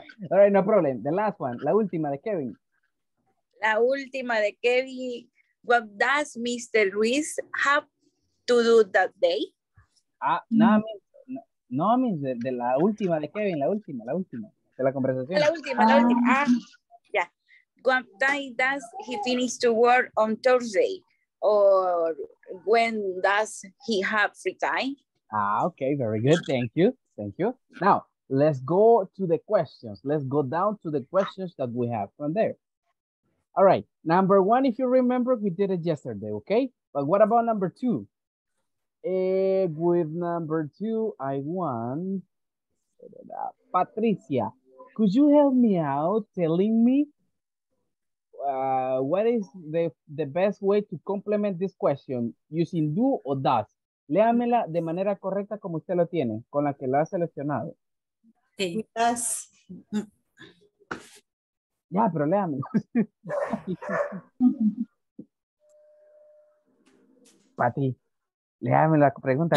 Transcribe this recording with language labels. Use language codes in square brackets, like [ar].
[en] All right, no problem. The last one, [es] la última de Kevin. La última de Kevin. [en] What does Mr. Ruiz have to do that day? [es] No, means de la última de Kevin, la última de la conversación. La última. Ah, yeah. [en] When does he finish to work on Thursday? Or when does he have free time? Ah, okay, very good. Thank you. Thank you. Now, let's go to the questions. Let's go down to the questions that we have from there. All right. Number one, if you remember, we did it yesterday, okay? But what about number two? With number two, I want Patricia. Could you help me out telling me what is the best way to complement this question using do or does? [es] Léamela de manera correcta como usted lo tiene, con la que la ha seleccionado. [en] Okay. Does. [es] Ya, yeah, pero léame. Pati. Déjame la pregunta.